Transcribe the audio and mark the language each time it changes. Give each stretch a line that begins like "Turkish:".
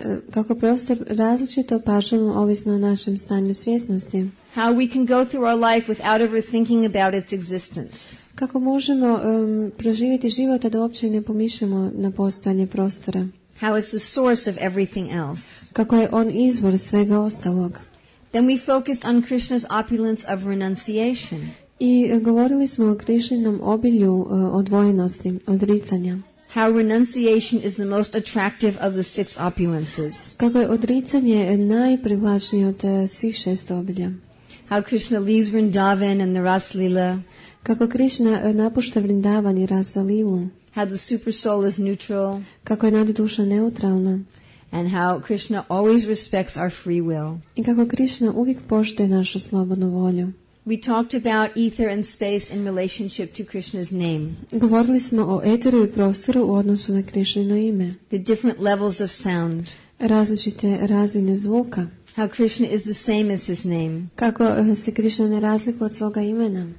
Croatian: Kako prostor različito opažamo ovisno o našem stanju svjesnosti.
English: How we can go through our life without ever thinking about its existence.
Croatian: Kako možemo proživjeti život a da uopće ne pomišljamo na postojanje prostora.
English: How is the source of everything else?
Croatian: Kako je on izvor svega ostalog?
English: Then we focused on Krishna's opulence of renunciation.
Croatian: I govorili smo o Krišninom obilju odvojenosti, odricanja.
English: How renunciation is the most attractive of the six opulences.
Croatian: Kako je odricanje najprivlačnije od svih šest obilja.
English: How Krishna leaves Vrindavan and the Rasalila.
Croatian: Kako Krishna napušta Vrindavan i Rasalilu.
English: How the super soul is neutral.
Croatian: Kako je nadduša neutralna.
English: And how Krishna always respects our free will.
Croatian: I kako Krishna uvijek poštuje našu slobodnu volju.
English: We talked about ether and space in relationship to Krishna's name.
Croatian: Govorili smo o eteru i prostoru u odnosu na Krishnino ime.
English: The different levels of sound.
Croatian: Različite razine zvuka.
English: How Krishna is the same as his name.
Croatian: Kako se Krishna ne razlikuje od svoga imena.